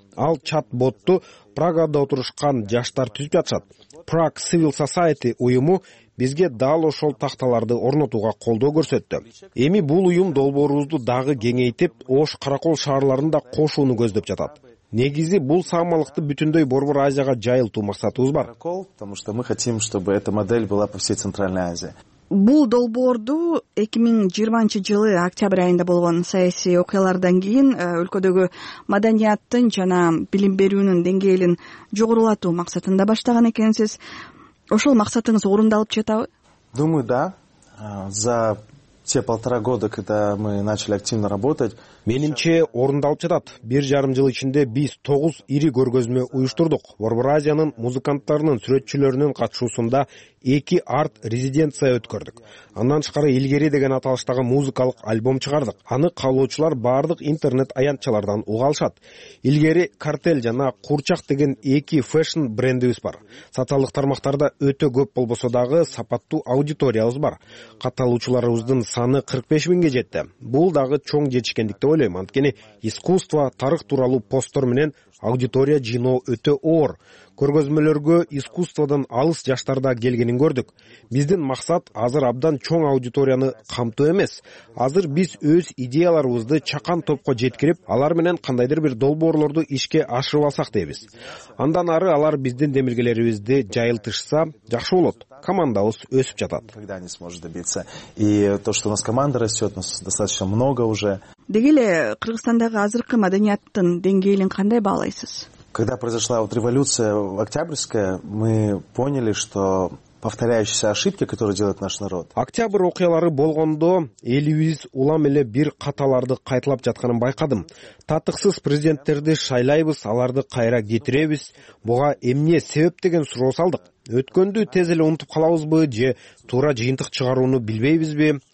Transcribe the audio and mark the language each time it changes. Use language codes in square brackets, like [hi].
[ky] Ал чат-ботту Прагада отурушкан жаштар түзүп жатышат. Prague Civil Society уюму бизге дал ошол такталарды орнотууга колдоо көрсөттү. Эми бул уюм долбоорубузду дагы кеңейтип, Ош Каракол шаарларында кошууну көздөп жатат. Негизи бул саамалыкты бүтүндөй Борбор Азияга жайылтуу максатыбыз бар. [ru] Потому что мы хотим, чтобы эта модель была по всей Центральной Азии. [ky] Бул долбоорду 2020 жылы октябрь айында болгон саясий окуялардан кийин өлкөдөгү маданияттын жана билим берүүнүн деңгээлин жогорулатуу максатында баштаган экенсиз. Ошол максатыңыз орундалып жатабы? [ru] Думаю, да. За те полтора года, когда мы начали активно работать. [ky] Менимче орундалып жатат. Бир жарым жыл ичинде биз 9 ири көргөзмө уюштурдук. Борбор Азиянын музыканттарынын, сүрөтчүлөрүнүн катышуусунда 2 арт резиденция өткөрдүк. Андан тышкары Илгери деген аталыштагы музыкалык альбом чыгардык. Аны каалоочулар баардык интернет аянтчалардан уга алышат. Илгери, Картель жана Курчак деген 2 фэшн брендибиз бар. Социалдык тармактарда өтө көп болбосо дагы сапаттуу аудиториябыз бар. Катталуучуларыбыздын саны 45 000 жетти. Бул дагы чоң жетишкендик. ойлойм. Анткени искусство, тарых тууралуу постор менен аудитория жыйноо өтө оор. Көргөзмөлөргө искусстводон алыс жаштар да келгенин көрдүк. Биздин максат азыр абдан чоң аудиторияны камтуу эмес. Азыр биз өз идеяларыбызды чакан топко жеткирип, алар менен кандайдыр бир долбоорлорду ишке ашырып алсак дейбиз. Андан ары алар биздин демилгелерибизди жайылтышса, жакшы болот. Командабыз өсүп жатат. [ru] Когда они сможет добиться. И то, что у нас команда растет, у нас достаточно много уже. [ky] Деги эле Кыргызстандагы азыркы маданияттын деңгээлин кандай баалайсыз? [ru] Когда произошла вот революция Октябрьская, мы поняли, что повторяющиеся ошибки, которые делает наш народ. [ky] Октябрь окуялары болгондо элибиз улам эле бир каталарды кайталап жатканын байкадым. Татыксыз президенттерди шайлайбыз, аларды кайра кетиребиз. Буга эмне себеп деген суроо салдык. Өткөндү тез эле унутуп калабызбы же туура жыйынтык чыгарууну билбейбизби?